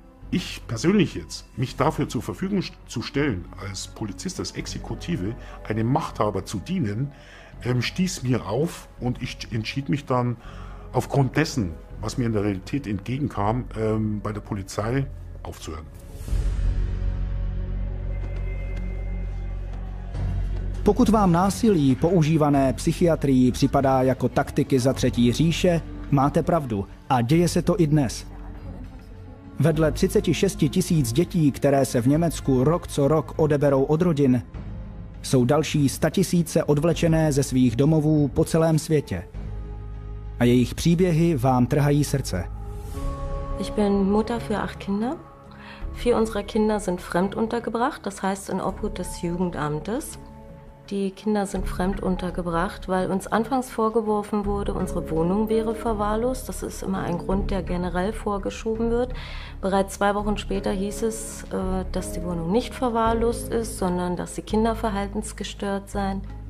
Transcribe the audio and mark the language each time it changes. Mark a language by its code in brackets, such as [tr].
[de] Ich persönlich jetzt, mich dafür zur Verfügung zu stellen, als Polizist, als Exekutive, einem Machthaber zu dienen, stieß mir auf und ich entschied mich dann aufgrund dessen, was mir in der Realität entgegenkam, bei der Polizei aufzuhören. [cs] Pokud vám násilí používané psychiatrií připadá jako taktiky za třetí říše, máte pravdu a děje se to i dnes. Vedle 36 tisíc dětí, které se v Německu rok co rok odeberou od rodin, jsou další statisíce odvlečené ze svých domovů po celém světě. A jejich příběhy vám trhají srdce. [de] Ich bin Mutter für 8 Kinder. 4 unserer Kinder sind fremd untergebracht, das heißt in Obhut des Jugendamtes. Die Kinder sind fremd untergebracht, weil uns anfangs vorgeworfen wurde, unsere Wohnung wäre verwahrlost. Das ist immer ein Grund, der generell vorgeschoben wird. Bereits 2 Wochen später hieß es, dass die Wohnung nicht verwahrlost ist, sondern dass die Kinder verhaltensgestört seien.